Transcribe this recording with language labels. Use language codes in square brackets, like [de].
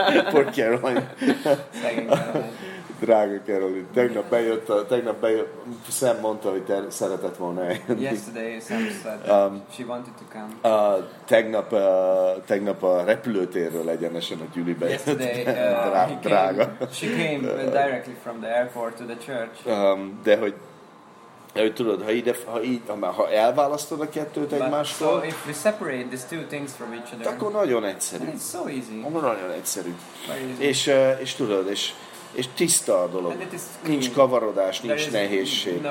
[en] Poor Caroline. [hu] Drága Caroline. Tegnap bejött, Sam mondta, hogy szeretett volna eljönni. [en] Yesterday, Sam said she wanted to come. [hu] Tegnap a repülőtérről egyenesen a gyülibe jött. [en] Yesterday, drága. She came directly from the airport to the church. [hu] De hogy tudod, ha elválasztod a kettőt egymástól, [en] so if we separate these two things from each other, [hu] akkor nagyon egyszerű. [en] It's so easy. [hu] Akkor nagyon egyszerű. És tudod, és tiszta a dolog. Nincs kavarodás, nincs nehézség.